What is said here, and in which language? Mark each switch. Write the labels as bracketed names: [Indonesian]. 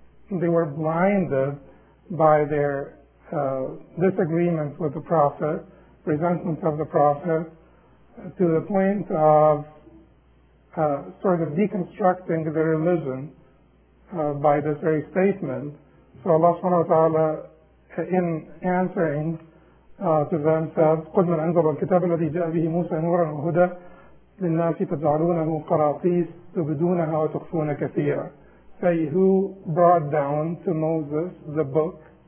[English] They were blinded by their disagreement with the Prophet, resentment of the Prophet, to the point of sort of deconstructing their religion by this very statement. So Allah subhanahu wa ta'ala, in answering to them, said, [Arabic] قُلْ مَنْ أَنْزَلَ الْكِتَابَ الَّذِي جَاءَ بِهِ مُوسَى نُورًا وَهُدًى لِلنَّاسِ تَجْعَلُونَهُ قَرَاطِيسَ تُبْدُونَهَا وَتُخْفُونَ كَثِيرًا. [English] Say, who brought down to Moses the book?